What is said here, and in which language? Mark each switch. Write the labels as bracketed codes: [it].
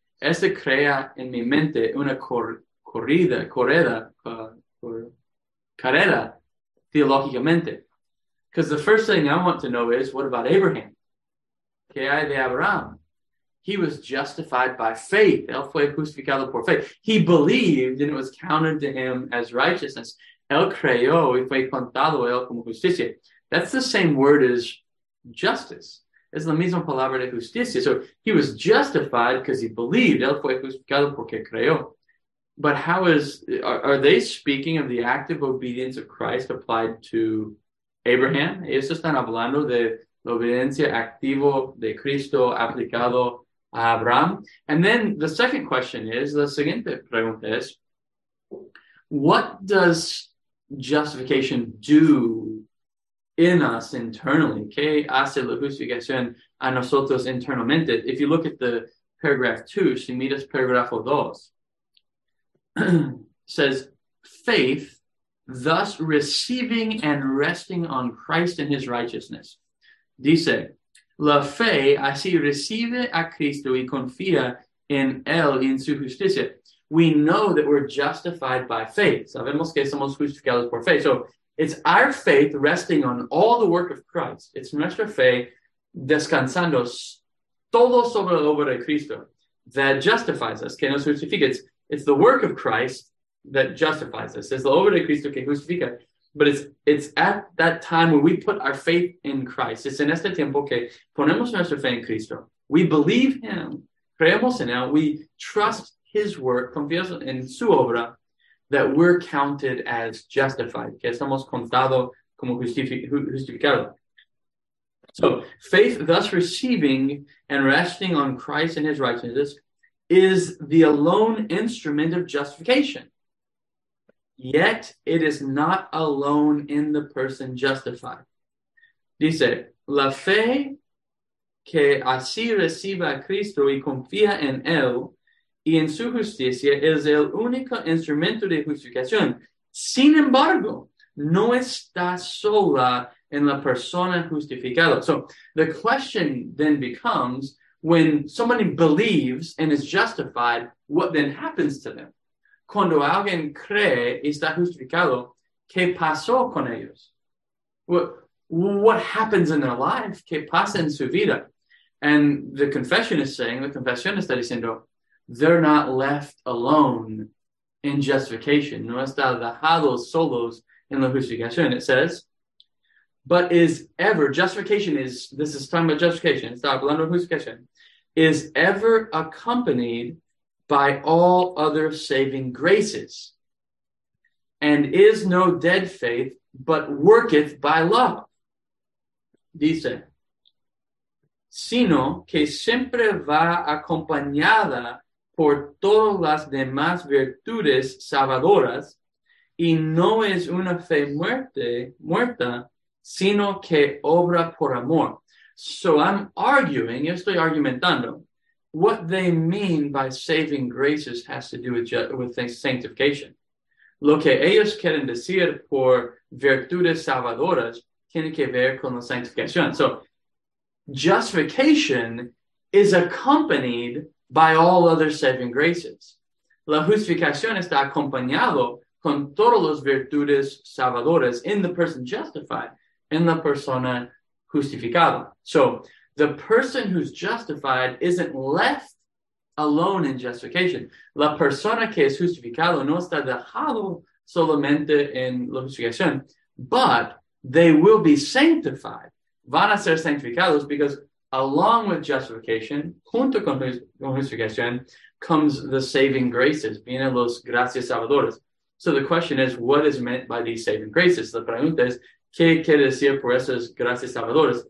[es] Este crea en mi mente una carrera theologicamente. [en] Because the first thing I want to know is, what about Abraham? [es] ¿Qué hay de Abraham? [en] He was justified by faith. [es] Él fue justificado por fe. [en] He believed and it was counted to him as righteousness. [es] Él creyó y fue contado él como justicia. [en] That's the same word as justice. [es] Es la misma palabra de justicia. [en] So he was justified because he believed. [es] Él fue justificado porque creyó. [en] But how is, are they speaking of the active obedience of Christ applied to Abraham? [es] Ellos están hablando de la obediencia activa de Cristo aplicado a Abraham. [en] And then the second question is, [es] la siguiente pregunta es, [en] what does justification do in us internally? [es] ¿Qué hace la justificación a nosotros internamente? [en] If you look at the paragraph 2, [es] si miras paragrafo 2, [en] says, faith, thus receiving and resting on Christ and his righteousness. [es] Dice, la fe así recibe a Cristo y confía en él y en su justicia. [en] We know that we're justified by faith. [es] Sabemos que somos justificados por fe. [en] So it's our faith resting on all the work of Christ. [es] It's nuestra fe descansando todo sobre la obra de Cristo [en] that justifies us, [es] que nos justifica. [en] It's the work of Christ that justifies us. [es] Es la obra de Cristo que justifica. [en] But it's at that time when we put our faith in Christ. [es] It's en este tiempo que ponemos nuestra fe en Cristo. [en] We believe him. [es] Creemos en él. [en] We trust his work. [es] Confiamos en su obra. [en] That we're counted as justified. [es] Que estamos contado como justificado. [en] So, faith thus receiving and resting on Christ and his righteousness is the alone instrument of justification. Yet, it is not alone in the person justified. [es] Dice, la fe que así recibe a Cristo y confía en él y en su justicia es el único instrumento de justificación. Sin embargo, no está sola en la persona justificada. [en] So, the question then becomes, when somebody believes and is justified, what then happens to them? [es] Cuando alguien cree y está justificado, ¿qué pasó con ellos? [en] What happens in their life? [es] ¿Qué pasa en su vida? [en] And the confession is saying, the confession [es] está diciendo, [en] they're not left alone in justification. [es] No está dejados solos en la justificación. [en] It says, but is ever, justification is, this is talking about justification, [es] está hablando de justificación, [en] is ever accompanied by all other saving graces, and is no dead faith, but worketh by love. [es] Dice, sino que siempre va acompañada por todas las demás virtudes salvadoras, y no es una fe muerta, sino que obra por amor. [en] So I'm arguing, [es] yo estoy argumentando, [en] what they mean by saving graces has to do with sanctification. [es] Lo que ellos quieren decir por virtudes salvadoras tiene que ver con la sanctificación. [en] So, justification is accompanied by all other saving graces. [es] La justificación está acompañado con todas las virtudes salvadoras [en] in the person justified, [es] en la persona justificada. [en] So, the person who's justified isn't left alone in justification. [es] La persona que es justificado no está dejado solamente en la justificación, [en] but they will be sanctified. [es] Van a ser sanctificados because [en] Along with justification, [es] junto con justificación, [en] comes the saving graces, [es] vienen los gracias salvadoras. [en] So the question is, what is meant by these saving graces? [es] La pregunta es, ¿qué quiere decir por esas gracias salvadoras?